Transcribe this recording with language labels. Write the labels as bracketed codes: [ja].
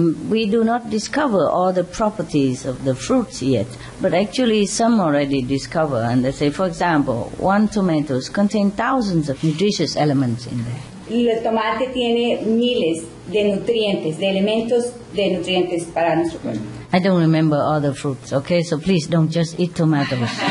[en] We do not discover all the properties of the fruits yet, but actually some already discover, and they say, for example, one tomatoes contain thousands of nutritious elements in there. [es] El tomate tiene miles de nutrientes, de elementos de nutrientes para nuestro cuerpo. [en] I don't remember all the fruits, okay, so please don't just eat tomatoes.